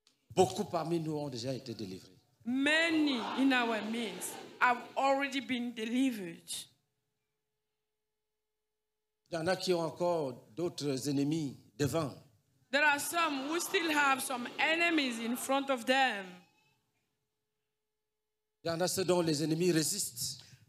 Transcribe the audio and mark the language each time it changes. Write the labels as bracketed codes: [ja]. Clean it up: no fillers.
[fr] Beaucoup parmi nous ont déjà été délivrés. [en] Many in our midst have already been delivered. [fr] Il y en a qui ont encore d'autres ennemis devant. [en] There are some who still have some enemies in front of them. [fr] Il y en a ceux dont les ennemis résistent.